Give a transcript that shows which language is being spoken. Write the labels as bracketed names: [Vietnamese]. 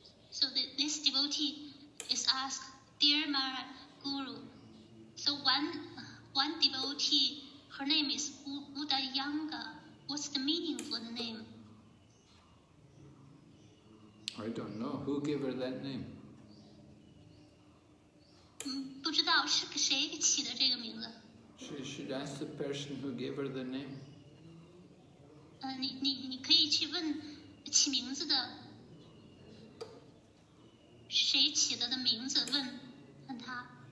[English] So this devotee is asked, Dear Maharaj Guru, so one devotee, her name is Buddha Yanga. What's the meaning for the name? I don't know. Who gave her that name? [Chinese] 不知道是谁起的这个名字。 [English] She should ask the person who gave her the name. [Chinese] 你可以去问起名字的谁起的名字问他。